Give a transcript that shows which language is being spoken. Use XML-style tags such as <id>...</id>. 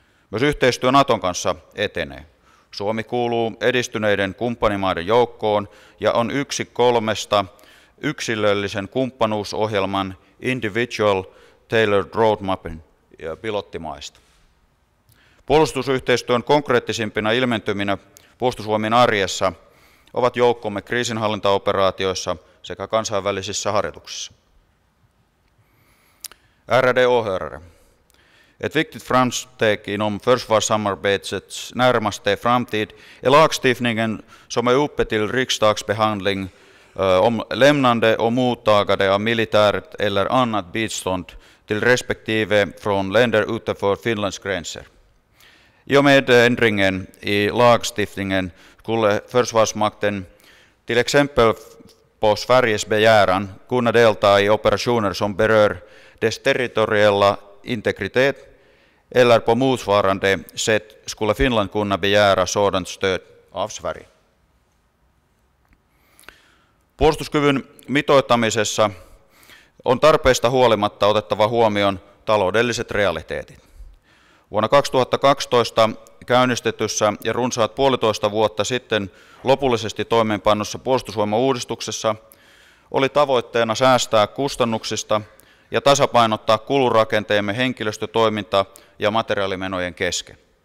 <fi>Myös yhteistyö Naton kanssa etenee. Suomi kuuluu edistyneiden kumppanimaiden joukkoon ja on yksi kolmesta yksilöllisen kumppanuusohjelman Individual Tailored Roadmapin pilottimaista. Puolustusyhteistyön konkreettisimpina ilmentyminä puolustusvoimien arjessa ovat joukkomme kriisinhallintaoperaatioissa sekä kansainvälisissä harjoituksissa. RDOHR.</fi> <sv>Ett viktigt framsteg inom försvarssamarbetets närmaste framtid är lagstiftningen som är uppe till riksdagsbehandling om lämnande och mottagande av militärt eller annat bistånd till respektive från länder utanför Finlands gränser. I och med ändringen i lagstiftningen skulle försvarsmakten till exempel på Sveriges begäran kunna delta i operationer som berör dess territoriella integritet eller på motsvarande sätt skulle Finland kunna begära sådant stöd av Sverige.</sv> <fi>Puolustuskyvyn mitoittamisessa on tarpeesta huolimatta otettava huomioon taloudelliset realiteetit. Vuonna 2012 käynnistetyssä ja runsaat puolitoista vuotta sitten lopullisesti toimeenpannossa puolustusvoimauudistuksessa oli tavoitteena säästää kustannuksista ja tasapainottaa kulurakenteemme henkilöstötoiminta ja materiaalimenojen kesken.</fi>